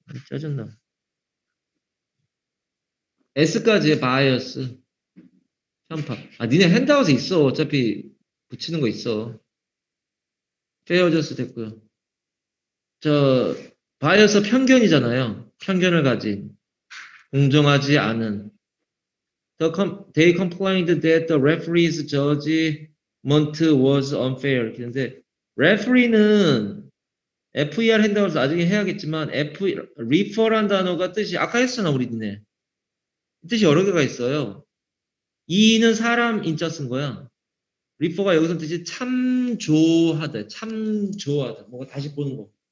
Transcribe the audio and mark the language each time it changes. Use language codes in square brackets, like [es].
[ko] 짜증나. S까지의 바이어스. 편파. 아, 니네 핸드아웃에 있어. 어차피 붙이는 거 있어. 페어저스 됐고요. 저 바이어스 편견이잖아요. 편견을 가진 공정하지 않은 [en] they complained that the referee's judgment was unfair. [ko] 근데 referee는 FER 한다고 해서 나중에 해야겠지만 refer란 단어가 뜻이 아까 했잖아 우리네 뜻이 여러 개가 있어요. E는 사람 인자 쓴 거야. 리퍼가 여기서 뜻이 참조하다, 참조하다. 뭔가 다시 보는 거.